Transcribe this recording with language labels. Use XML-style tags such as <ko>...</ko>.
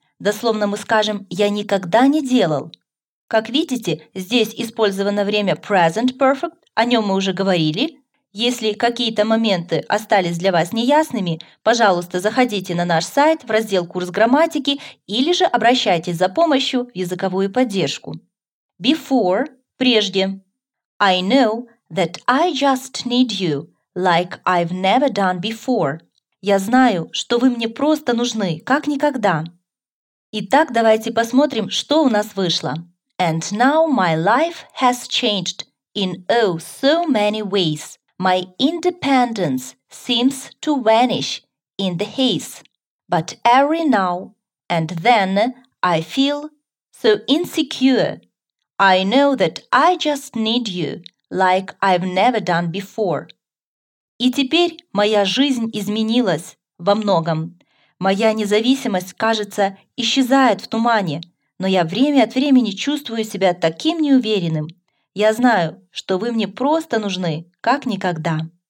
<ru>Дословно мы скажем «я никогда не делал». Как видите, здесь использовано время present perfect, о нем мы уже говорили. Если какие-то моменты остались для вас неясными, пожалуйста, заходите на наш сайт в раздел «Курс грамматики» или же обращайтесь за помощью в языковую поддержку.</ru> <en>Before</en> <ru>– прежде.</ru> <en>I know that I just need you, like I've never done before.</en> <ru>Я знаю, что вы мне просто нужны, как никогда. Итак, давайте посмотрим, что у нас вышло.</ru> <en>And now my life has changed in oh so many ways. My independence seems to vanish in the haze. But every now and then I feel so insecure. I know that I just need you like I've never done before.</en> <ru>И теперь моя жизнь изменилась во многом. Моя независимость, кажется, исчезает в тумане. но я время от времени чувствую себя таким неуверенным. Я знаю, что вы мне просто нужны, как никогда».</ru>